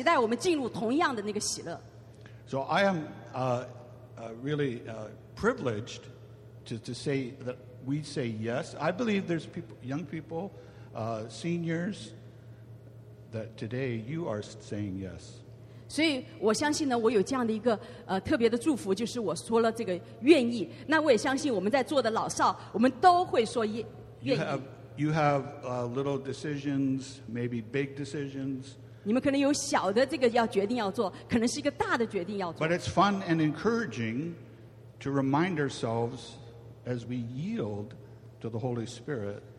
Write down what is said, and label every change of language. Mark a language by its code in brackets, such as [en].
[zh] 所以不是说我们好像说降服了神的旨意呢，我们的生活就变成非常的痛苦，而是说不是，是神要期待我们进入同样的那个喜乐。 [en] So I am really privileged to say that we say yes. I believe there's people, young people, seniors, that today you are saying yes. [zh] 所以我相信呢，我有这样的一个特别的祝福，就是我说了这个愿意。那我也相信我们在座的老少，我们都会说愿意。 [en] You have little decisions, maybe big decisions. [zh] 你们可能有小的这个要决定要做，可能是一个大的决定要做。 [en] But it's fun and encouraging to remind ourselves as we yield to the Holy Spirit.